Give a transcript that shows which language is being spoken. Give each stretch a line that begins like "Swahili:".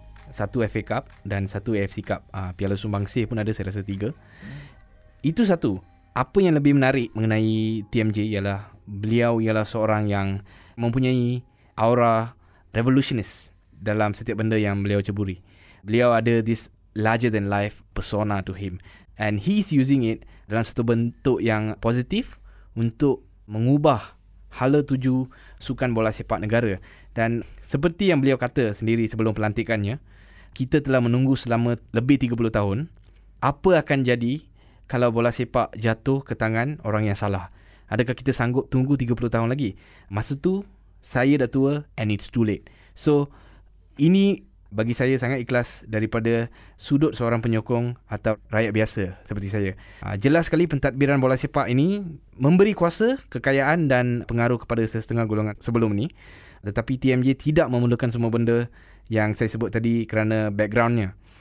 Malay: Satu FA Cup dan satu AFC Cup. Piala Sumbangsih pun ada, saya rasa 3. Itu satu. Apa yang lebih menarik mengenai TMJ ialah beliau ialah seorang yang mempunyai aura revolutionist dalam setiap benda yang beliau ceburi. Beliau ada
English: this larger than life persona to him. And he's using it
Malay: dalam satu bentuk yang positif untuk mengubah hala tuju sukan bola sepak negara. Dan seperti yang beliau kata sendiri sebelum pelantikannya, kita telah menunggu selama lebih 30 tahun. Apa akan jadi kalau bola sepak jatuh ke tangan orang yang salah? Adakah kita sanggup tunggu 30 tahun lagi? Masa tu saya dah tua
English: and it's too late.
Malay: So ini bagi saya sangat ikhlas daripada sudut seorang penyokong atau rakyat biasa seperti saya. Jelas sekali pentadbiran bola sepak ini memberi kuasa, kekayaan dan pengaruh kepada sesetengah golongan sebelum ni. Tetapi TMJ tidak memerlukan semua benda yang saya sebut tadi kerana backgroundnya.